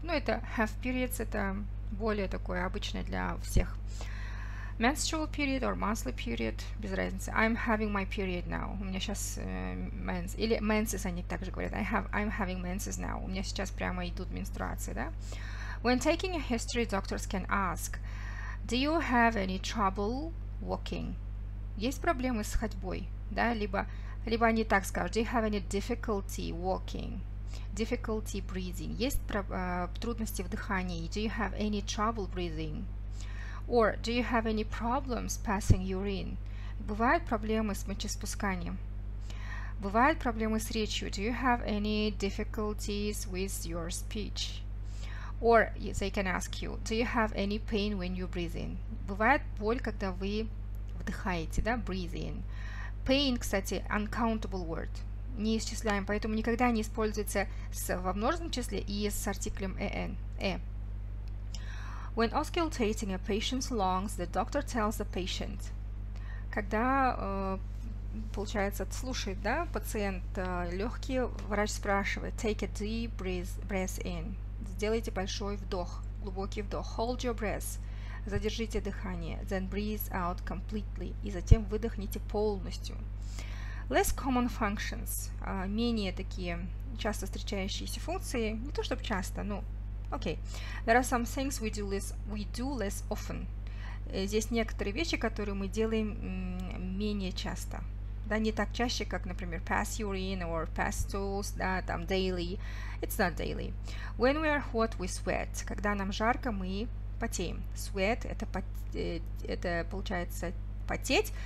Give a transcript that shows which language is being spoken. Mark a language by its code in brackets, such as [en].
[ru] Ну, это have periods, это более такое обычное для всех. [en] Menstrual period or monthly period, [ru] без разницы. [en] I'm having my period now. [ru] У меня сейчас mens. Или menses они также говорят. [en] I'm having menses now. [ru] У меня сейчас прямо идут менструации, да? [en] When taking a history, doctors can ask, do you have any trouble walking? [ru] Есть проблемы с ходьбой, да? Либо они так скажут, [en] do you have any difficulty walking? Difficulty breathing. [ru] Есть трудности в дыхании. [en] Do you have any trouble breathing? Or do you have any problems passing urine? [ru] Бывают проблемы с мочеиспусканием. Бывают проблемы с речью. [en] Do you have any difficulties with your speech? Or they can ask you, do you have any pain when you breathe in? [ru] Бывает боль, когда вы вдыхаете, да, breathe in. Pain, кстати, uncountable word, неисчисляем, поэтому никогда не используется во множественном числе и с артиклем en, e. [en] When auscultating a patient's lungs, the doctor tells the patient. [ru] Когда, получается, слушает, да, пациент легкие, врач спрашивает. [en] Take a deep breath in. [ru] Сделайте большой вдох, глубокий вдох. [en] Hold your breath. [ru] Задержите дыхание. [en] Then breathe out completely. [ru] И затем выдохните полностью. [en] Less common functions. [ru] Менее такие часто встречающиеся функции. Не то чтобы часто, но... Okay. [en] There are some things we do less often. [ru] Здесь некоторые вещи, которые мы делаем менее часто. Да, не так чаще, как, например, [en] pass urine or pass stools, [ru] да, там, daily. [en] It's not daily. When we are hot, we sweat. [ru] Когда нам жарко, мы потеем. Sweat – это получается потеть.